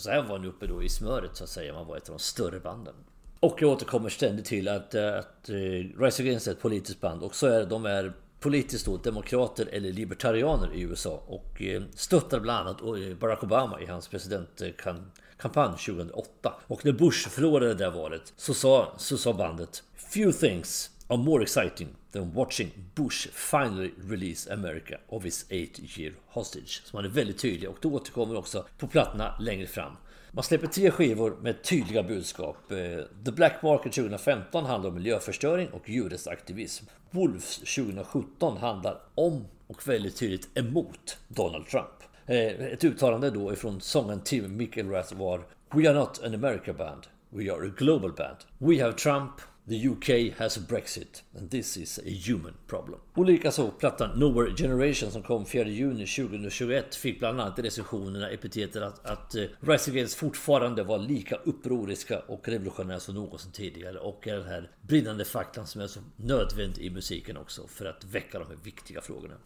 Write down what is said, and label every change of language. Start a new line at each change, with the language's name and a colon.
Swedish: Så här var man uppe då i smöret, så att säga. Man var ett av de större banden. Och jag återkommer ständigt till att Rise Against är ett politiskt band, och så är det, de är politiskt då demokrater eller libertarianer i USA och stöttar bland annat Barack Obama i hans presidentkampanj 2008. Och när Bush förlorade det där valet så sa bandet:
English: "Few things are more exciting than watching Bush finally release America of his 8-year hostage.
Swedish: Som han är väldigt tydlig och då återkommer också på plattorna längre fram. Man släpper 3 skivor med tydliga budskap. The Black Market 2015 handlar om miljöförstöring och djurrättsaktivism. Wolves 2017 handlar om och väldigt tydligt emot Donald Trump. Ett uttalande då ifrån sången Tim McElrath var:
English: "We are not an America band, we are a global band. We have Trump, the UK has Brexit, and this is a human problem."
Swedish: Och likaså plattan Nowhere Generation som kom 4 juni 2021 fick bland annat i recensionerna epiteter att Rise Against fortfarande var lika upproriska och revolutionära som någonsin tidigare. Och den här brinnande faktan som är så nödvändig i musiken också för att väcka de här viktiga frågorna.